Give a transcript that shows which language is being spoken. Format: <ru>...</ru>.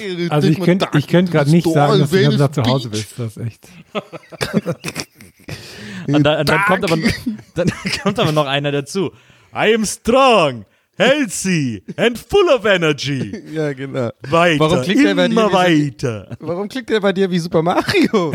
<de>Also ich könnte gerade nicht sagen, dass du da zu Hause bist. Das ist echt. Dann kommt aber noch einer dazu.</de> <en>I am strong, healthy and full of energy.</en> <de>Ja, genau. Weiter, warum klickt immer der bei dir weiter. Warum klickt der bei dir wie Super Mario?</de>